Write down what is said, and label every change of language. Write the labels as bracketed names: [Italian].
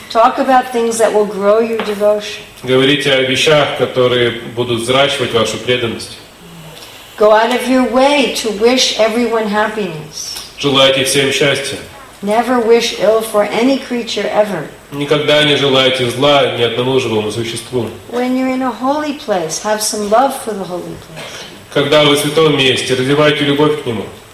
[English] Talk about things that will grow your devotion. [Russian] Говорите о вещах, которые будут взращивать вашу преданность. [English] Go out of your way to wish everyone happiness. [Russian] Желайте всем счастья. [English] Never wish ill for any creature ever. [Russian] Никогда не желайте зла ни одному живому существу. [English] When you're in a holy place, have some love for the holy place. [Russian] Когда вы в святом месте, развивайте любовь к нему.